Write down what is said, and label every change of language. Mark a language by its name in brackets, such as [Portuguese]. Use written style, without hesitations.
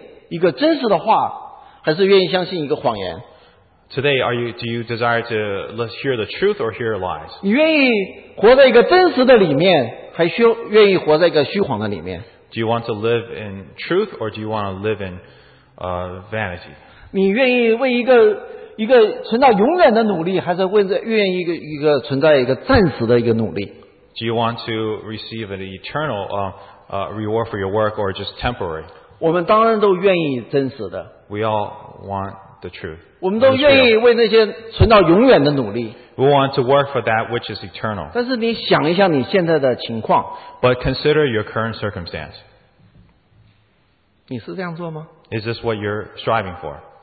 [Chinese] 今天你愿意相信一个真实的话, 还是愿意相信一个谎言? [English] Today, do you desire to hear the truth or hear lies? [Chinese] 你愿意活在一个真实的里面, 还愿意活在一个虚谎的里面? [English] Do you want to live in truth or do you want to live in vanity? [Chinese] 你愿意为一个存到永远的努力, 还是愿意存在一个暂时的一个努力? [English] Do you want to receive an eternal reward for your work or just temporary? [Chinese] 我们当然都愿意真实的。 [English] We all want the truth. [Chinese] 我们都愿意为那些存到永远的努力。 [English] We want to work for that which is eternal. [Chinese] 但是你想一下你现在的情况。 [English] But consider your current circumstance. [Chinese] 你是这样做吗? [English] Is this what you're striving for?